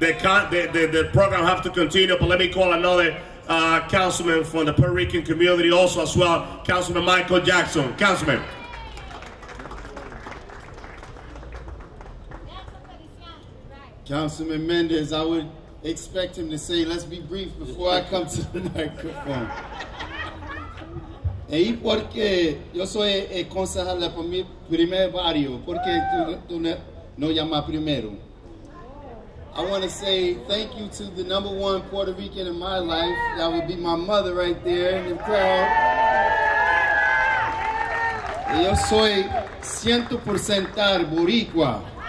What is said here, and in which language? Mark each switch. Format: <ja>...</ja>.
<en>The program has to continue, but let me call another councilman from the Puerto Rican community also as well, Councilman Michael Jackson. Councilman. Councilman Mendez, I would expect him to say, let's be brief before I come to the microphone.</en> <es>Y porque yo soy el concejal de mi primer barrio, porque tú no llamas primero.</es> <en>I want to say thank you to the number one Puerto Rican in my life. That would be my mother right there in the crowd.</en> <es>Y yo soy 100% boricua.</es>